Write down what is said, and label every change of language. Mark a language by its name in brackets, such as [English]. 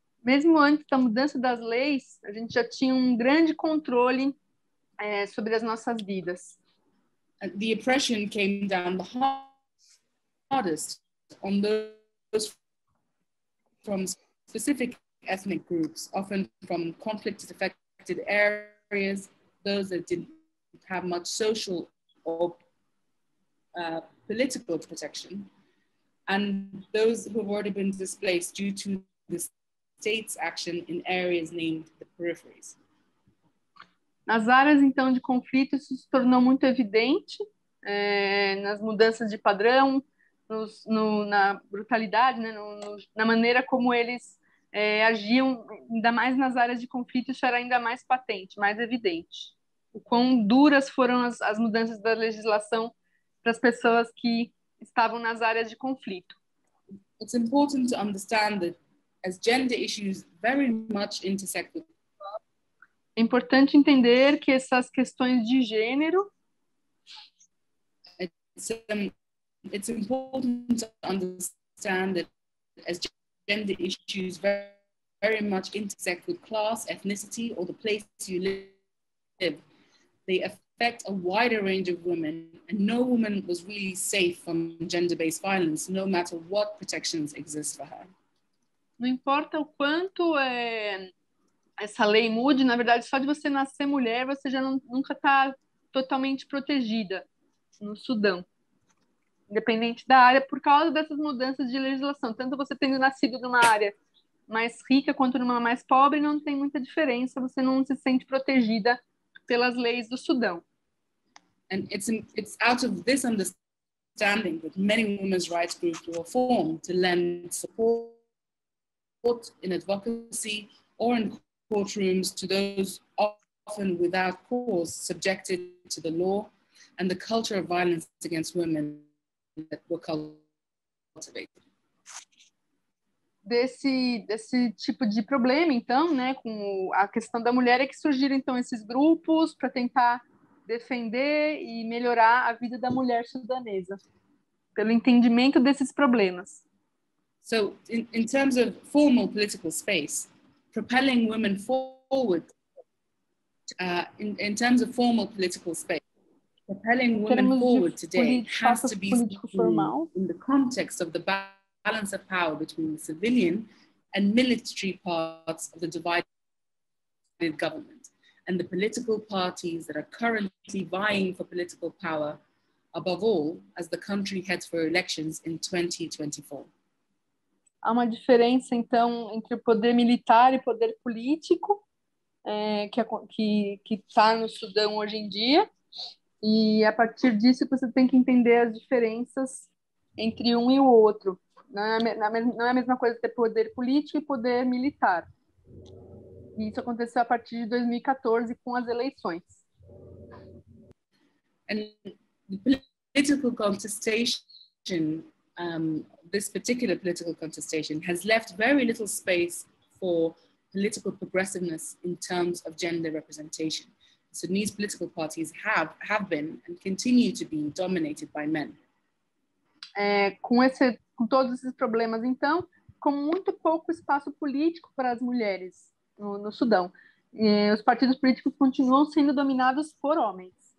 [Portuguese] Mesmo antes da mudança das leis, a gente já tinha um grande controle sobre as nossas vidas. [English] And the oppression came down the hardest on those from specific ethnic groups, often from conflict-affected areas, those that didn't have much social or political protection, and those who have already been displaced due to this state's action in areas named the peripheries. [Portuguese] Nas áreas, então, de conflito, isso se tornou muito evidente nas mudanças de padrão, na brutalidade, né, na maneira como eles agiam, ainda mais nas áreas de conflito, isso era ainda mais patente, mais evidente. O quão duras foram as mudanças da legislação para as pessoas que estavam nas áreas de conflito. [English] It's important to understand that as gender issues very much intersect with. [Portuguese] É importante entender que essas questões de gênero. [English] It's important to understand that as gender issues very, very much intersect with class, ethnicity, or the place you live, they affect a wider range of women, and no woman was really safe from gender-based violence, no matter what protections exist for her. [Portuguese] Não importa o quanto essa lei mude, na verdade, só de você nascer mulher, você já nunca está totalmente protegida no Sudão, independente da área, por causa dessas mudanças de legislação. Tanto você tendo nascido numa área mais rica quanto numa mais pobre, não tem muita diferença, você não se sente protegida pelas leis do Sudão. E [English] it's out of this understanding that many women's rights groups were formed to lend support in advocacy or in courtrooms to those often without cause subjected to the law and the culture of violence against women that were cultivated. [Portuguese] Desse tipo de problema, então, né, com a questão da mulher, é que surgiram, então, esses grupos para tentar defender e melhorar a vida da mulher sudanesa, pelo entendimento desses problemas. [English] So in terms of formal political space, propelling women forward in terms of formal political space, propelling women forward today has to be seen in the context of the balance of power between the civilian and military parts of the divided government and the political parties that are currently vying for political power, above all, as the country heads for elections in 2024. [Portuguese] Há uma diferença, então, entre o poder militar e o poder político que está no Sudão hoje em dia. E, a partir disso, você tem que entender as diferenças entre um e o outro. Não é a mesma coisa ter poder político e poder militar. E isso aconteceu a partir de 2014, com as eleições. [English] And political contestation, this particular political contestation has left very little space for political progressiveness in terms of gender representation. Sudanese political parties have been and continue to be dominated by men. [Portuguese] Com todos esses problemas, então, com muito pouco espaço político para as mulheres no Sudão, os partidos políticos continuam sendo dominados por homens.